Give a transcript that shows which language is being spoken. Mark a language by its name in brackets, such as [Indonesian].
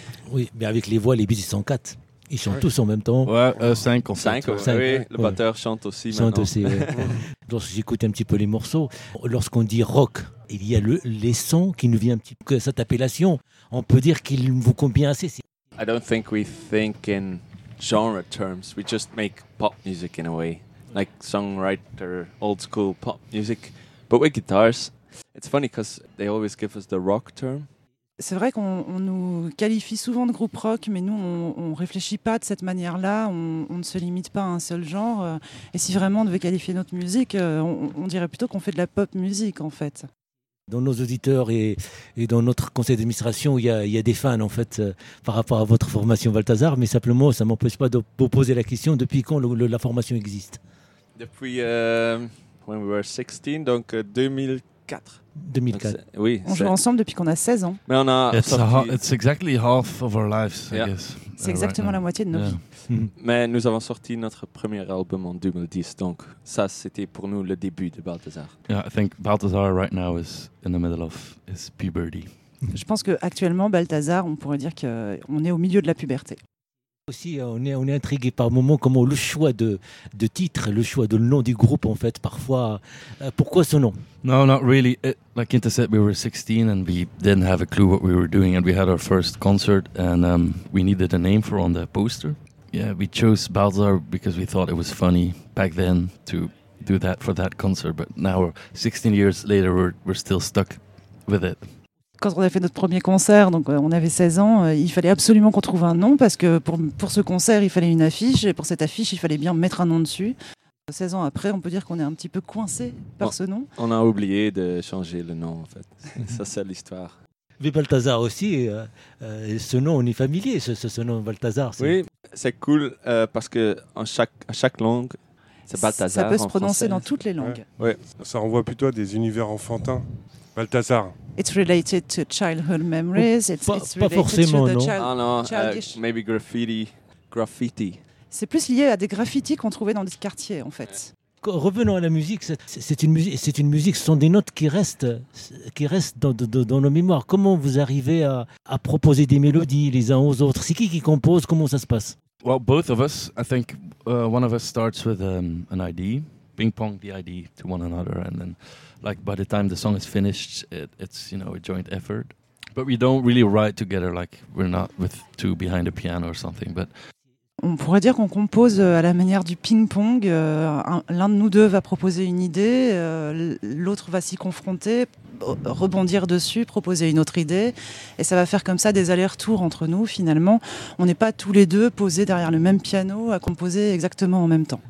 [French] Oui, mais avec les voix, les Beatles sont quatre. Ils chantent tous en même temps. Ouais, cinq en cinq, fait. Cinq, oui. Ouais. Le batteur chante aussi chante maintenant. Chante aussi, oui. Lorsque j'écoute un petit peu les morceaux, lorsqu'on dit rock, il y a les sons qui nous viennent un petit peu, cette appellation, on peut dire qu'il vous convient assez. [English] I don't think we think in genre terms. We just make pop music in a way. Like songwriter, old school pop music. But with guitars, it's funny because they always give us the rock term. [French] C'est vrai qu'on nous qualifie souvent de groupe rock, mais nous, on ne réfléchit pas de cette manière-là, on ne se limite pas à un seul genre. Et si vraiment on devait qualifier notre musique, on dirait plutôt qu'on fait de la pop musique, en fait. Dans nos auditeurs et dans notre conseil d'administration, il y a des fans, en fait, par rapport à votre formation Balthazar, mais simplement, ça ne m'empêche pas de vous poser la question, depuis quand la formation existe? [English] Depuis when we were 16, donc 2004. 2004. [French] Oui, on joue ensemble depuis qu'on a 16 ans. Mais on a [English] it's exactly half of our lives, yeah. I guess. [French] C'est exactement right la moitié de nos vies. Mais nous avons sorti notre premier album en 2010, donc ça c'était pour nous le début de Balthazar. [English] Yeah, I think Balthazar right now is in the middle of his puberty. [French] Je pense que actuellement Balthazar, on pourrait dire que on est au milieu de la puberté. Aussi, on est intrigué par moments, comment le choix de titre, le choix de nom du groupe, en fait, parfois, pourquoi ce nom? [English] No, not really. Like Quinta said, we were 16 and we didn't have a clue what we were doing and we had our first concert and we needed a name for on the poster. Yeah, we chose Balthazar because we thought it was funny back then to do that for that concert, but now, 16 years later, we're still stuck with it. [French] Quand on a fait notre premier concert, donc on avait 16 ans, il fallait absolument qu'on trouve un nom parce que pour ce concert, il fallait une affiche et pour cette affiche, il fallait bien mettre un nom dessus. 16 ans après, on peut dire qu'on est un petit peu coincé par ce nom. On a oublié de changer le nom, en fait. Ça, c'est l'histoire. Mais Balthazar aussi, ce nom, on est familier, ce nom Balthazar. C'est... Oui, c'est cool parce qu'en chaque langue, c'est Balthazar. Ça peut se prononcer dans toutes les langues. Ouais. Ouais. Ça renvoie plutôt à des univers enfantins. Balthazar. [English] It's related to childhood memories. It's, [French] pas, [English] it's related [French] pas forcément, [English] to the [French] non. [English] Child, oh, [French] non. [English] Childish. Maybe graffiti. Graffiti. [French] C'est plus lié à des graffitis qu'on trouvait dans des quartiers, en fait. Ouais. Revenons à la musique. C'est une musique. Ce sont des notes qui restent dans nos mémoires. Comment vous arrivez à proposer des mélodies les uns aux autres? C'est qui compose? Comment ça se passe? [English] Well, both of us. I think one of us starts with an idea. Ping pong the idea to one another, and then, like, by the time the song is finished, it's you know a joint effort. But we don't really write together, like we're not with two behind a piano or something. But [French] on pourrait dire qu'on compose à la manière du ping pong. L'un de nous deux va proposer une idée, l'autre va s'y confronter, rebondir dessus, proposer une autre idée, et ça va faire comme ça des allers-retours entre nous. Finalement, on n'est pas tous les deux posés derrière le même piano à composer exactement en même temps.